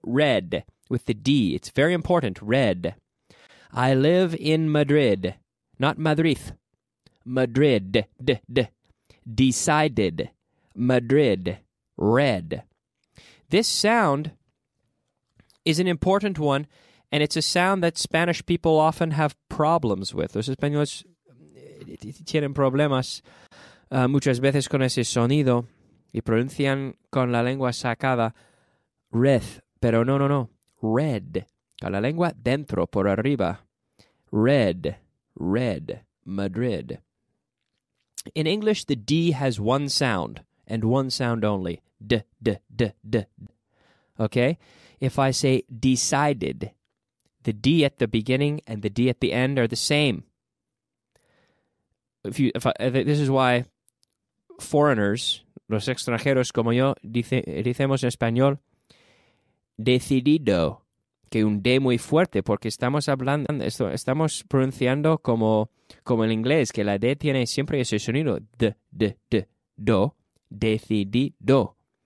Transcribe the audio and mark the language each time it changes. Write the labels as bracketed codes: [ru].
[en] Red, with the D. It's very important, red. I live in Madrid. Not Madrid. Madrid. D-d-d. Decided. Madrid. Red. This sound is an important one, and it's a sound that Spanish people often have problems with. [es] Los españoles tienen problemas muchas veces con ese sonido y pronuncian con la lengua sacada red, pero no, red, con la lengua dentro, por arriba, red, red, Madrid. [en] In English, the D has one sound and one sound only, d, d, d, d, d. Okay? If I say decided, the D at the beginning and the D at the end are the same. This is why foreigners, [es] los extranjeros como yo, decimos en español, decidido, que un D muy fuerte, porque estamos hablando, estamos pronunciando como el inglés, que la D tiene siempre ese sonido, do, decidido.